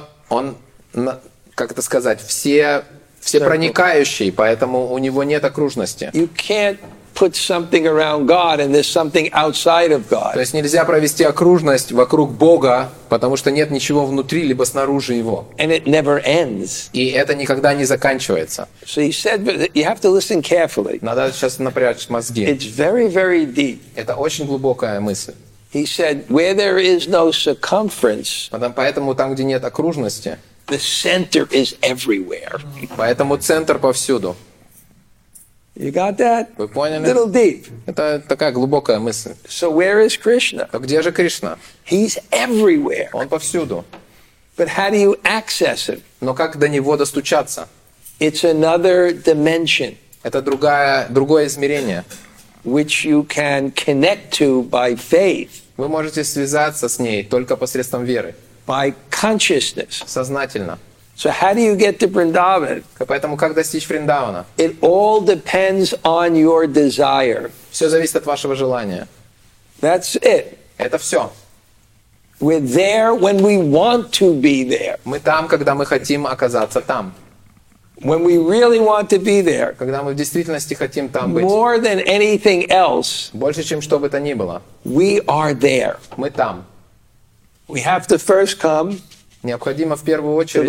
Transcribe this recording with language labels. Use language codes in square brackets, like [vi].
[ru] Он, как это сказать, всепроникающий, поэтому у него нет окружности. [en] You can't put something around God and there's something outside of God. [ru] То есть нельзя провести окружность вокруг Бога, потому что нет ничего внутри либо снаружи его. [en] And it never ends. [ru] И это никогда не заканчивается. [en] So he said, you have to listen carefully. [ru] Надо сейчас напрячь мозги. [en] It's very, very deep. [ru] Это очень глубокая мысль. [en] He said, where there is no circumference. [ru] Поэтому там, где нет окружности, [en] the center is everywhere. [ru] Поэтому центр повсюду. [en] You got that? [ru] Вы поняли? [en] Little deep. [ru] Это такая глубокая мысль. [en] So where is Krishna? [ru] А где же Кришна? [en] He's everywhere. [ru] Он повсюду. [en] But how do you access him? [ru] Но как до него достучаться? [en] It's another dimension. [ru] Это другое измерение. [en] Which you can connect to by faith. [ru] Вы можете связаться с ней только посредством веры. [en] By consciousness. [ru] Сознательно. [en] So how do you get to Vrindavan? [ru] Поэтому как достичь Вриндавана? [en] It all depends on your desire. [ru] Все зависит от вашего желания. [en] That's it. [ru] Это все. [en] We're there when we want to be there. [ru] Мы там, когда мы хотим оказаться там. [en] When we really want to be there. [ru] Когда мы в действительности хотим там быть. [en] More than anything else. [ru] Больше, чем что бы то ни было. [en] We are there. [ru] Мы там. [en] We have to first come. [ru] Необходимо в первую очередь